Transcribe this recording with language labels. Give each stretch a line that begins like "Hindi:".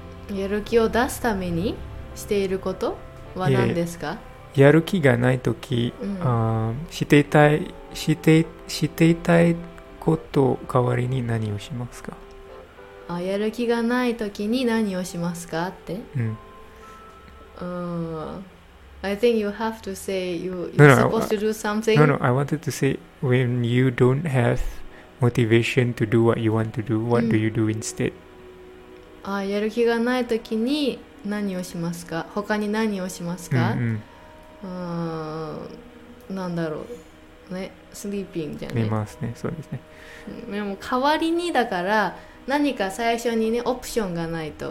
Japanese: やる気を出すためにしていることは何ですか？やる気がないとき、していたいこと代わりに何をしますか？あ、やる気がないときに何をしますかって、うん、
English: I think you have to say you're supposed to do something. No, I wanted to say when you don't have motivation to do what you want to do, what、うん、do you do instead?
Japanese: あ、やる気がないときに何をしますか？他に何をしますか？うん、何、うん、だろうね、スリーピングじゃね、寝ますね、そうですね。でも代わりにだから何か最初にねオプションがないと、